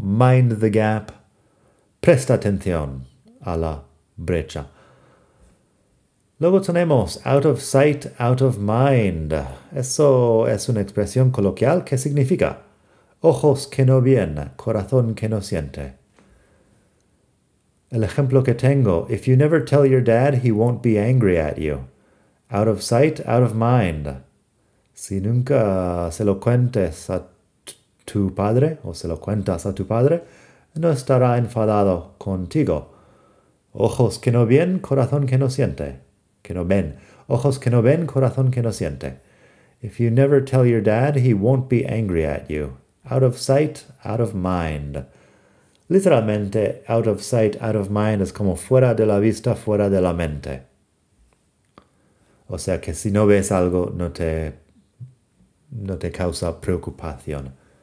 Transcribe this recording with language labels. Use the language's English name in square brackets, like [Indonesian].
[English] Mind the Gap. [Spanish] Presta atención a la brecha. Luego tenemos [English] out of sight, out of mind. [Spanish] Eso es una expresión coloquial que significa ojos que no ven, corazón que no siente. El ejemplo que tengo, [English] if you never tell your dad, he won't be angry at you. Out of sight, out of mind. [Spanish] Si nunca se lo cuentes a tu padre, o se lo cuentas a tu padre, no estará enfadado contigo. Ojos que no ven, corazón que no siente. Que no ven. Ojos que no ven, corazón que no siente. [English] If you never tell your dad, he won't be angry at you. Out of sight, out of mind. [Spanish] Literalmente, [English] out of sight, out of mind [Spanish] es como fuera de la vista, fuera de la mente. O sea que si no ves algo, no te causa preocupación.